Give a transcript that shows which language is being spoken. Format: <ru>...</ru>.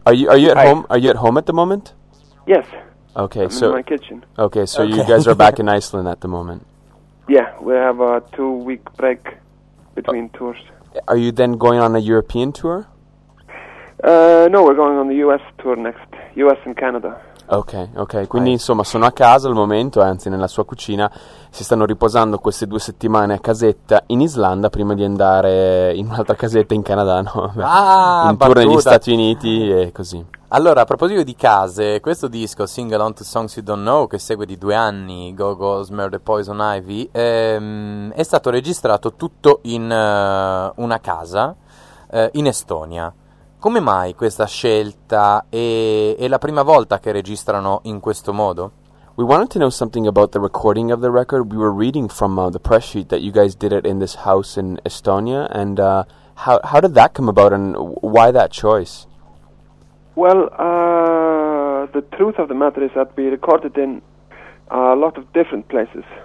<en>Are you at home? Are you at home at the moment? Yes. Okay, I'm so in my kitchen. Okay, so okay. You guys are back in Iceland at the moment. Yeah, we have a 2-week break between tours. Are you then going on a European tour? No, we're going on the US tour next. US and Canada.</en> <it>Ok, quindi insomma sono a casa al momento, anzi nella sua cucina, si stanno riposando queste 2 settimane a casetta in Islanda prima di andare in un'altra casetta in Canada, no? Ah, tour negli Stati Uniti e così. Allora, a proposito di case, questo disco, Sing Along to Songs You Don't Know, che segue di 2 anni, Go Go, Smear the Poison Ivy, è stato registrato tutto in una casa in Estonia. Come mai questa scelta è la prima volta che registrano in questo modo?</it> <en>We wanted to know something about the recording of the record. We were reading from the press sheet that you guys did it in this house in Estonia. And how did that come about and why that choice? Well, the truth of the matter is that we recorded in a lot of different places.</en>